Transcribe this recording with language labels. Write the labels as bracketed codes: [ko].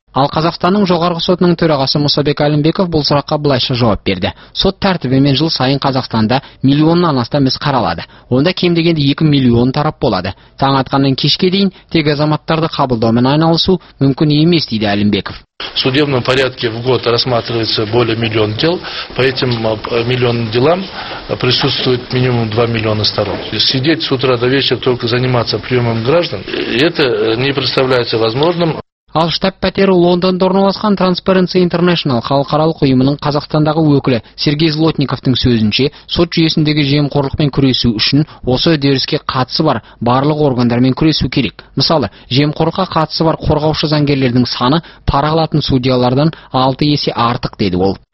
[kk] Ал Қазақстанның жоғарғы сотының төрағасы Мұсабек Әлімбеков бұл сұраққа былайша жауап берді. Сот тәртібімен жыл сайын Қазақстанда миллионнан астам іс қаралады. Онда кем дегенде 2 миллион тарап болады. Таң атқаннан кешке дейін тек азаматтарды қабылдаумен айналысу мүмкін емес дейді Әлімбеков. [ru] В судебном порядке в год рассматривается более миллион дел. По этим миллионным делам присутствует минимум 2 миллиона сторон. Сидеть с утра до вечера только заниматься приемом граждан, это не представляется возможным. [kk] Ал штаб-пәтері Лондонда орналасқан Transparency International халықаралық ұйымының Қазақстандағы өкілі Сергей Злотниковтың сөзінше, сот жүйесіндегі жемқорлықпен күресу үшін осы үдеріске қатысы бар барлық органдармен күресу керек. Мысалы, жемқорлыққа қатысы бар қорғаушы заңгерлердің саны пара алатын судьялардан 6 есе артық деді ол.